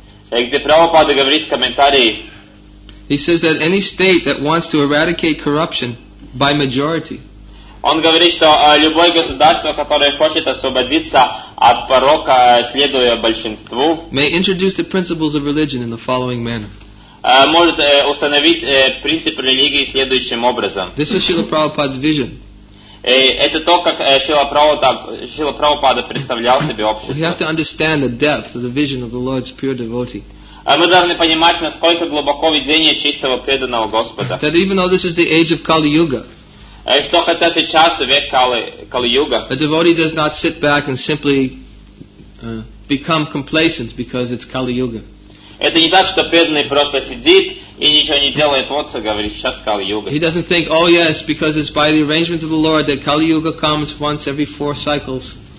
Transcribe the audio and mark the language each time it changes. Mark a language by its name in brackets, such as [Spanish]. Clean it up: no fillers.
[Russian] Где Прабхупада говорит комментарий. [English] He says that any state that wants to eradicate corruption by majority. [Russian] Он говорит, что любое государство, которое хочет освободиться от порока, следуя большинству, [English] may introduce the principles of religion in the following manner. [Russian] Может установить принципы религии следующим образом. [English] This is Srila Prabhupada's vision. [Russian] Это то, как Шрила Прабхупада представлял себе общество. [English] We have to understand the depth of the vision of the Lord's pure devotee. [Russian] Мы должны понимать, насколько глубоко видение чистого преданного Господа. [English] That even though this is the age of Kali Yuga, [Russian] что хотя сейчас век Кали-Юга, [English] a devotee does not sit back and simply become complacent because it's Kali Yuga. [Russian] Это не так, что преданный просто сидит и ничего не делает, вот и говорит, сейчас Kali Yuga. [English] He doesn't think, oh yes, because it's by the arrangement of the Lord that Kali Yuga comes once every four cycles.